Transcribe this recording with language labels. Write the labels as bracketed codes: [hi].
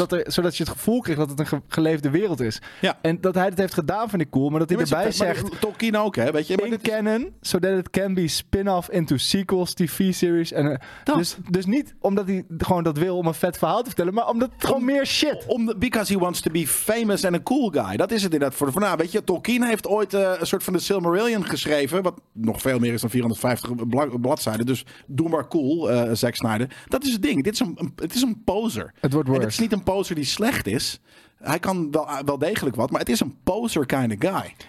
[nl] Zodat je het gevoel kreeg dat het een geleefde wereld is. Ja. En dat hij het heeft gedaan vind ik cool. Maar dat hij erbij zegt... Tolkien ook, hè? Weet je? [en] In canon, so that it can be spin-off into sequels, TV-series. [nl] En, dus niet omdat hij gewoon dat wil om een vet verhaal te vertellen. Maar omdat het gewoon meer shit. [en] Because he wants to be famous and a cool guy. [nl] Dat is het inderdaad. Weet je, Tolkien heeft ooit een soort van de Silmarillion geschreven. Wat nog veel meer is dan 450 bladzijden. Dus doe maar cool, Zack Snyder. Dat is het ding. Het is een poser. Het wordt worse. Het is niet een poser die slecht is. Hij kan wel degelijk wat, maar het is een poser [en] kind of guy.